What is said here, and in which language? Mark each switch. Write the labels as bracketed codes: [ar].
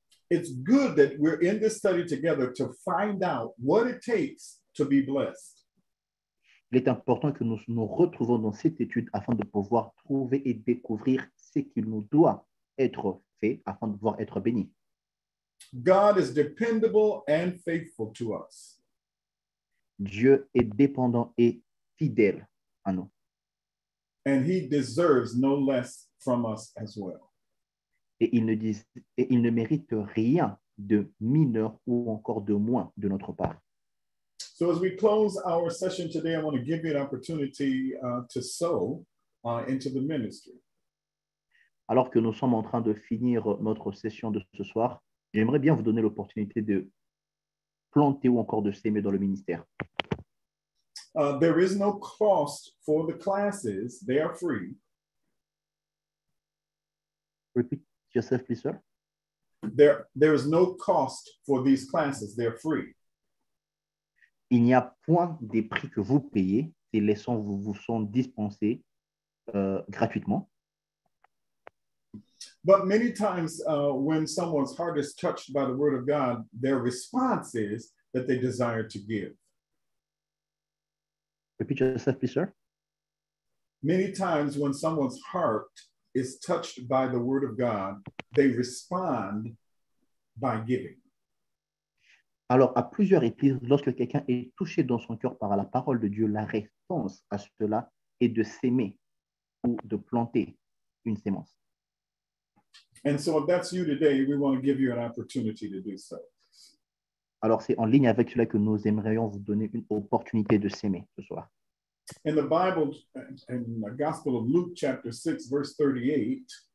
[en] It's good that we're in this study together to find out what it takes to be blessed. [fr] Il est important que nous nous retrouvions dans cette étude afin de pouvoir trouver et découvrir ce qui nous doit être fait afin de pouvoir être béni. [en] God is dependable and faithful to us. [fr] Dieu est dépendant et fidèle à nous. [en] And he deserves no less from us as well. [fr] Et il ne mérite rien de mineur ou encore de moins de notre part. [en] So as we close our session today, I want to give you an opportunity to sow into the ministry. [fr] Alors que nous sommes en train de finir notre session de ce soir, j'aimerais bien vous donner l'opportunité de planter ou encore de s'aimer dans le ministère. [en] There is no cost for the classes. They are free. Repeat yourself, please, sir. There is no cost for these classes. They are free. [fr] Il n'y a point des prix que vous payez, ces leçons vous sont dispensées gratuitement. [en] But many times when someone's heart is touched by the word of God, their response is that they desire to give. Repeat yourself, please, sir. Many times when someone's heart is touched by the word of God, they respond by giving. [fr] Alors, à plusieurs reprises, lorsque quelqu'un est touché dans son cœur par la parole de Dieu, la réponse à cela est de s'aimer ou de planter une sémence. [en] And so if that's you today, we want to give you an opportunity to do so. [fr] Alors, c'est en ligne avec cela que nous aimerions vous donner une opportunité de s'aimer ce soir. [en] In the Bible, in the Gospel of Luke, chapter 6, verse 38.